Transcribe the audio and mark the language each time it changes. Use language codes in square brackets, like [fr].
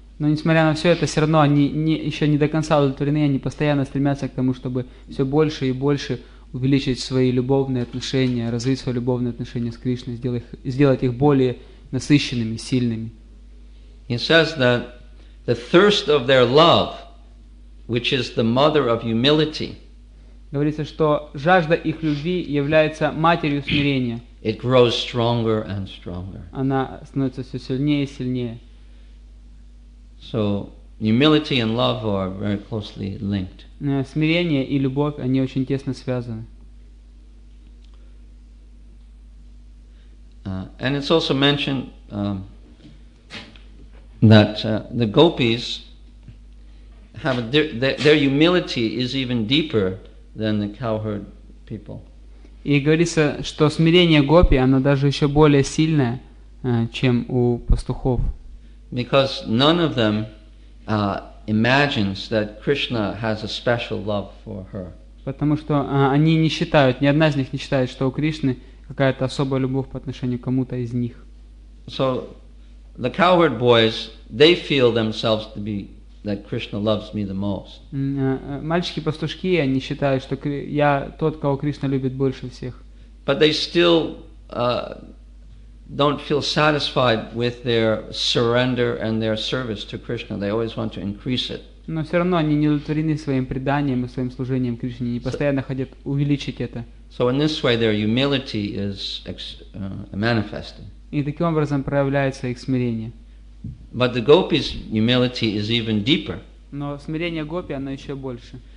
[ru] Но несмотря на все это, все равно они еще не до конца удовлетворены, они постоянно стремятся к тому, чтобы все больше и больше увеличить свои любовные отношения, развить свои любовные отношения с Кришной, сделать их более насыщенными, сильными. [en] He says that the thirst of their love, which is the mother of humility, [ru] говорится, что жажда их любви является матерью смирения. [en] It grows stronger and stronger. [ru] Она становится все сильнее и сильнее. [en] So humility and love are very closely linked. [ru] Смирение и любовь, они очень тесно связаны. [en] And it's also mentioned that the gopis have their humility is even deeper than the cowherd people. [ru] И говорится, что смирение гопи, оно даже еще более сильное, чем у пастухов. [en] Because none of them imagines that Krishna has a special love for her. [ru] Потому что они не считают, ни одна из них не считает, что у Кришны какая-то особая любовь по отношению к кому-то из них. [en] So the cowherd boys, they feel themselves to be that Krishna loves me the most. [ru] Мальчики-пастушки, они считают, что я тот, кого Кришна любит больше всех. [en] But they still don't feel satisfied with their surrender and their service to Krishna. They always want to increase it. [ru] Но все равно они не удовлетворены своим преданием и своим служением Кришне, они постоянно хотят увеличить это. [en] So in this way their humility is manifested. [ru] И таким образом проявляется их смирение. [en] But the gopis' humility is even deeper. [ru] Но смирение гопи, оно еще больше.